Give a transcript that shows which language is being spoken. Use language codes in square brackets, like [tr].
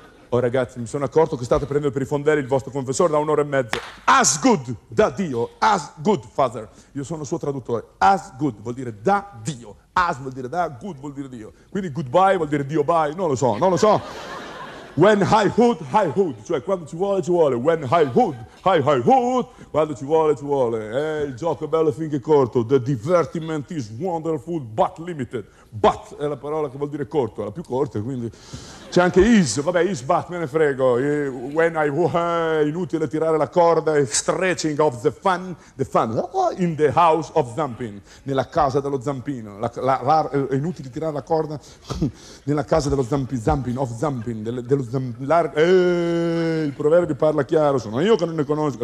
[it] Oh ragazzi, mi sono accorto che state prendendo per i fondelli il vostro confessore da un'ora e mezza. [en] As good, [it] da Dio, [en] as good, father. [it] Io sono suo traduttore. [en] As good [it] vuol dire da Dio. As vuol dire da, good vuol dire Dio. Quindi goodbye vuol dire Dio bye, non lo so, non lo so. [en] When high hood, [it] cioè quando ci vuole, ci vuole. [en] When high hood, [it] quando ci vuole, ci vuole. Il gioco è bello finché corto. [en] The divertiment is wonderful but limited. [it] But è la parola che vuol dire corto, è la più corta, quindi... C'è anche is, vabbè, is but, me ne frego. [en] When I [it] inutile tirare la corda, [en] stretching of the fun, in the house of zampin, [it] nella casa dello zampino. È inutile tirare la corda nella casa dello zampin, zampin, [en] of zampin, [it] dello zampin, il proverbio parla chiaro, sono io che non ne conosco.